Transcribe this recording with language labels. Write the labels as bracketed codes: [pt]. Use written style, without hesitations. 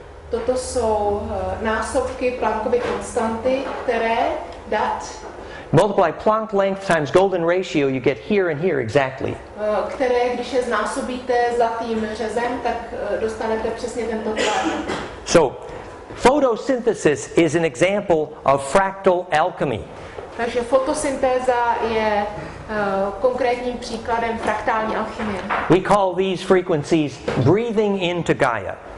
[cs] Toto jsou násobky Planckovy konstanty, které dat. [en] Multiply Planck length times golden ratio, you get here and here exactly. [cs] Které, když je znásobíte zlatým řezem, tak dostanete přesně tento tvar. [en] So, photosynthesis is an example of fractal alchemy. [cs] Takže fotosyntéza je konkrétním příkladem fraktální alchymie. [en] We call these frequencies breathing into Gaia.